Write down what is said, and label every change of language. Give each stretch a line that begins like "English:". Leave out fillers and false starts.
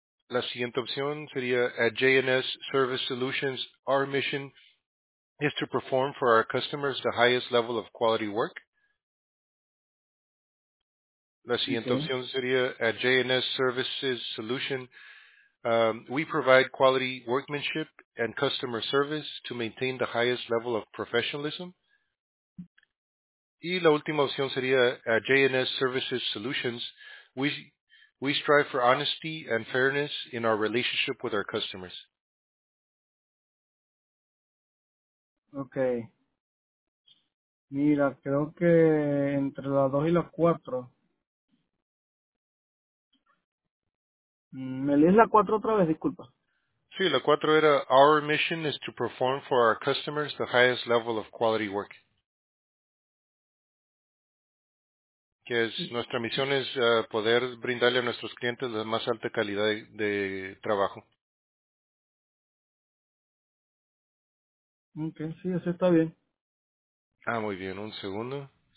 Spanish: La siguiente opción sería:
English: at J&S Service Solutions, our mission is to perform for our customers the highest level of quality work.
Spanish: La siguiente opción sería at JNS Services Solution.
English: We provide quality workmanship and customer service to maintain the highest level of professionalism.
Spanish: Y la última opción sería at JNS Services Solutions.
English: We strive for honesty and fairness in our relationship with our customers. Okay.
Spanish: Mira, creo que entre las dos y las cuatro. ¿Me lees la cuatro otra vez? Disculpa. Sí, la cuatro era,
English: our mission is to perform for our customers the highest level of quality work.
Spanish: Que es, nuestra misión es poder brindarle a nuestros clientes la más alta calidad de trabajo. Ok, sí, eso está bien. Ah, muy bien, un segundo.